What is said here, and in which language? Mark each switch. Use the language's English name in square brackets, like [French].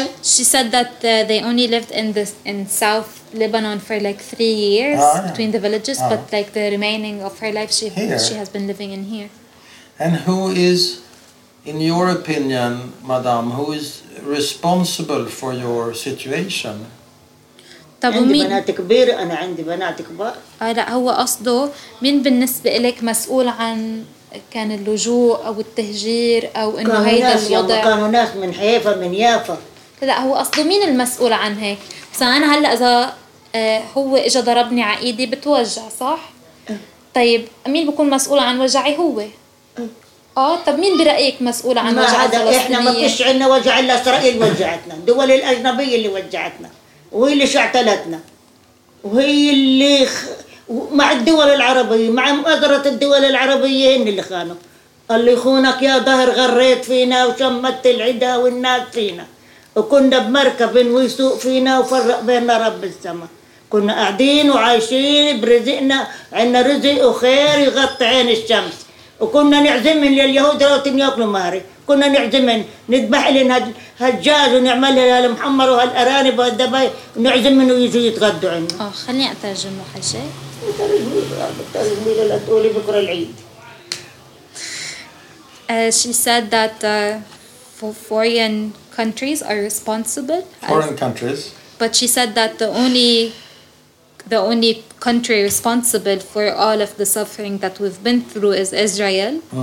[English] She said that they only lived in South Lebanon for like 3 years between the villages, but like the remaining of her life she has been living in here. And who is, in your opinion, madame, who is responsible for your situation? [Arabic] كان اللجوء أو التهجير أو إنه هيدا الوضع كانوا ناس من حيفا من يافا لا هو أصله مين المسؤول عن هيك بس أنا هلأ إذا هو إجا ضربني عايدي بتوجع صح؟ طيب مين بيكون مسؤول عن وجعي هو؟ طب مين برأيك مسؤول عن وجع فلسطينية؟ احنا ما فيش عنا وجع الا اسرائيل وجعتنا، الدول الاجنبية اللي وجعتنا، وهي اللي شعتلتنا، وهي اللي مع الدول العربية، مع مؤازرة الدول العربية هن اللي خانوا. قال لي خونك يا ظهر غريت فينا وشمت العدا والناس فينا، وكنا بمركب ويسوق فينا وفرق بيننا رب السماء، كنا قاعدين وعايشين برزقنا، عنا رزق وخير يغطي عين الشمس، وكنا نعزم من اليهود راتم ياكلوا مهري، كنا نعزم من نذبح لنا هالدجاج ونعملها للمحمر وهالارانب وهالدبي ونعزم منه يجوا يتغدوا عنا. خليني اترجم له هالشيء. ترجمي له لتقولي بكره العيد. [English] She said that for foreign countries are responsible. Foreign countries. But she said that the only country responsible for all of the suffering that we've been through is Israel.